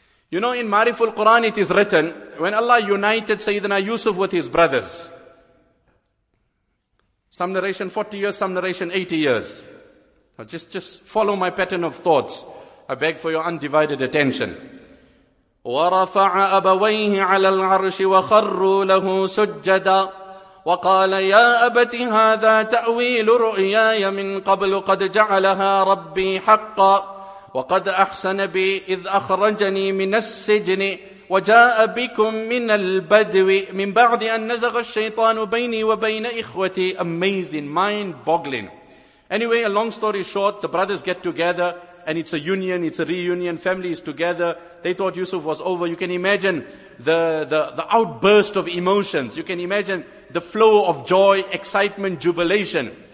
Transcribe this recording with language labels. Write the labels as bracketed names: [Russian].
[English] You know, in Ma'riful Quran, it is written, when Allah united Sayyidina Yusuf with his brothers, some narration 40 years, some narration 80 years. Now just follow my pattern of thoughts. I beg for your undivided attention. [Arabic] ورفع أبويه على العرش وخروا له سجدا وقال يا أبت هذا تأويل رؤياي من قبل قد جعلها ربي حقا وقد أحسن بي إذ أخرجني من السجن وجاء بكم من البدو من بعد أن نزغ الشيطان بيني وبين إخوتي. [English] Amazing, mind boggling. Anyway, a long story short, the brothers get together. And it's a union, it's a reunion, family is together. They thought Yusuf was over. You can imagine the outburst of emotions. You can imagine the flow of joy, excitement, jubilation.